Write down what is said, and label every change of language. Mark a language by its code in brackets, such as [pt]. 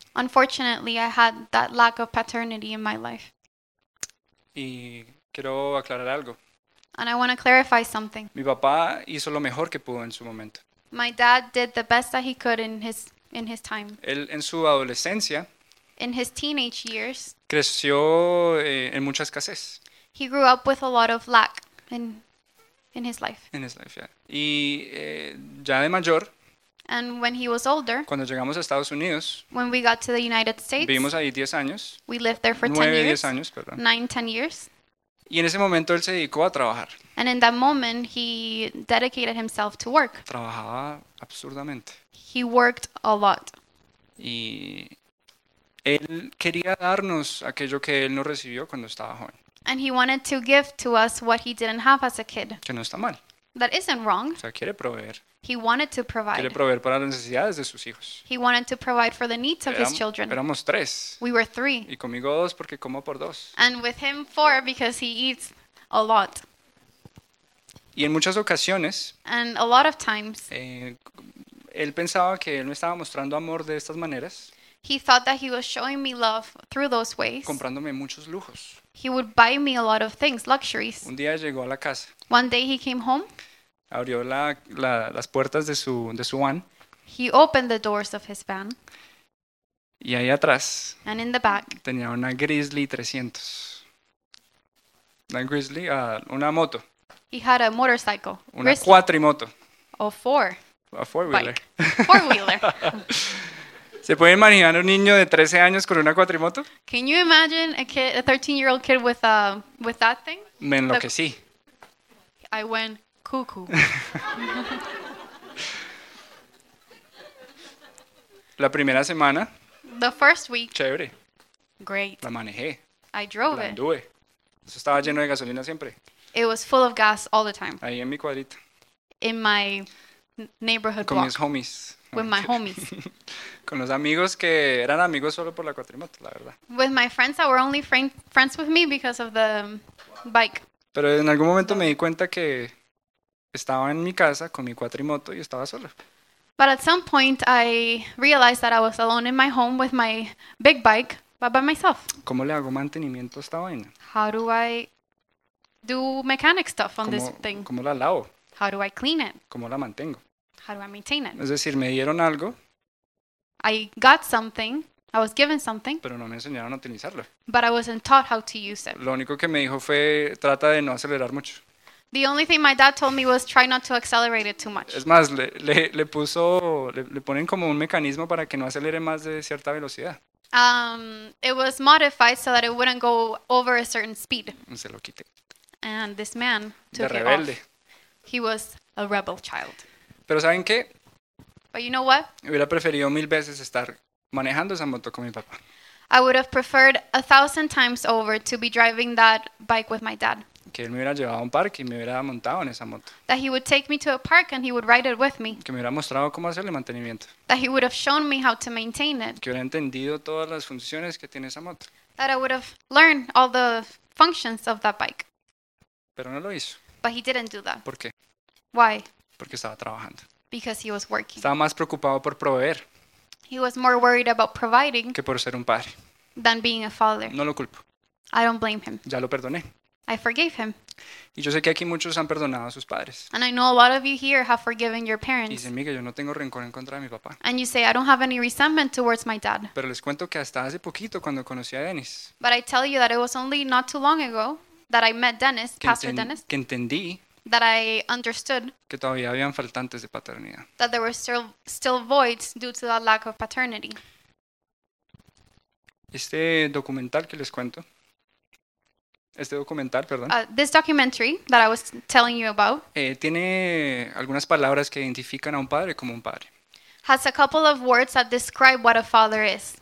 [en] Unfortunately, I had that lack of paternity in my life. [es] Y quiero aclarar algo. [en] And I want to clarify something. [es] Mi papá hizo lo mejor que pudo en su momento. [en] My dad did the best that he could in his time. [es] Él en su adolescencia. [en] In his teenage years. [es] Creció en mucha escasez. [en] He grew up with a lot of lack in his life. In his life, yeah. [es] Y ya de mayor. [en] And when he was older. [es] Cuando llegamos a Estados Unidos. [en] When we got to the United States. [es] Vivimos ahí 10 años. [en] We lived there for [es] 10 años, perdón. [en] 10 years. [es] Y en ese momento él se dedicó a trabajar. [en] And in that moment he dedicated himself to work. [es] Trabajaba absurdamente. [en] He worked a lot. [es] Y él quería darnos aquello que él no recibió cuando estaba joven. [en] And he wanted to give to us what he didn't have as a kid. [es] Que no está mal. [en] That isn't wrong. [es] O sea, quiere proveer. [en] He wanted to provide. [es] Quiere proveer para las necesidades de sus hijos. [en] He wanted to provide for the needs of his children. [es] Éramos tres. [en] We were three. [es] Y conmigo dos porque como por dos. [en] And with him four because he eats a lot. [es] Y en muchas ocasiones, [en] and a lot of times, [es] él pensaba que él me estaba mostrando amor de estas maneras. [en] He thought that he was showing me love through those ways. [es] Comprándome muchos lujos. [en] He would buy me a lot of things, luxuries. [es] Un día llegó a la casa. [en] One day he came home. [es] Abrió las puertas de su van. [en] He opened the doors of his van. [es] Y ahí atrás. [en] And in the back. [es] Tenía una Grizzly 300. Una Grizzly, una moto. [en] He had a motorcycle. Una Grizzly. Cuatrimoto. A four. A four-wheeler. Bike. Four-wheeler. [es] ¿Se puede imaginar un niño de 13 años con una cuatrimoto? [en] Can you imagine a kid, a 13-year-old kid with that thing? [es] Me enloquecí. [en] I went cuckoo. [es] La primera semana. [en] The first week. [es] Chévere. [en] Great. [es] La manejé. [en] I drove [es] it. La anduve. Eso estaba lleno de gasolina siempre. [en] It was full of gas all the time. [es] Ahí en mi cuadrito. [en] In my neighborhood [es] con [en] block. [es] Con mis homies. [en] With my homies. [es] Con los amigos que eran amigos solo por la cuatrimoto, la verdad. [en] With my friends that were only friends with me because of the bike. [es] Pero en algún momento me di cuenta que estaba en mi casa con mi cuatrimoto y estaba solo. [en] But at some point I realized that I was alone in my home with my big bike, but by myself. [es] ¿Cómo le hago mantenimiento a esta vaina? [en] How do I do mechanic stuff on this thing? [es] ¿Cómo la lavo? [en] How do I clean it? [es] ¿Cómo la mantengo? [en] How do I maintain it? [es] Es decir, me dieron algo. [en] I got something. I was given something. [es] Pero no me enseñaron a utilizarlo. [en] But I wasn't taught how to use it. [es] Lo único que me dijo fue, trata de no acelerar mucho. [en] The only thing my dad told me was, try not to accelerate it too much. [es] Es más, le ponen como un mecanismo para que no acelere más de cierta velocidad. [en] It was modified so that it wouldn't go over a certain speed. [es] Se lo quité. [en] And this man took [es] de rebelde. [en] It off. He was a rebel child. [es] Pero ¿saben qué? [en] But you know what? [es] Hubiera preferido mil veces estar manejando esa moto con mi papá. [en] I would have preferred 1,000 times over to be driving that bike with my dad. [es] Que él me hubiera llevado a un parque y me hubiera montado en esa moto. [en] That he would take me to a park and he would ride it with me. [es] Que me hubiera mostrado cómo hacerle mantenimiento. [en] That he would have shown me how to maintain it. [es] Que hubiera entendido todas las funciones que tiene esa moto. [en] That I would have learned all the functions of that bike. [es] Pero no lo hizo. [en] But he didn't do that. [es] ¿Por qué? [en] Why? [es] Porque estaba trabajando. [en] Because he was working. [es] Estaba más preocupado por proveer. [en] He was more worried about providing. [es] Que por ser un padre. [en] Than being a father. [es] No lo culpo. [en] I don't blame him. [es] Ya lo perdoné. [en] I forgave him. [es] Y yo sé que aquí muchos han perdonado a sus padres. [en] And I know a lot of you here have forgiven your parents. [es] Y dicen, Miguel, yo no tengo rencor en contra de mi papá. [en] And you say, I don't have any resentment towards my dad. [es] Pero les cuento que hasta hace poquito cuando conocí a Dennis. [en] But I tell you that it was only not too long ago that I met Dennis, Pastor Dennis. [es] Que entendí. [en] That I understood [es] que todavía habían faltantes de paternidad. [en] That there were still voids due to that lack of paternity. [es] Este documental que les cuento. Este documental, perdón. [en] This documentary that I was telling you about. [es] Tiene algunas palabras que identifican a un padre como un padre. [en] Has a couple of words that describe what a father is.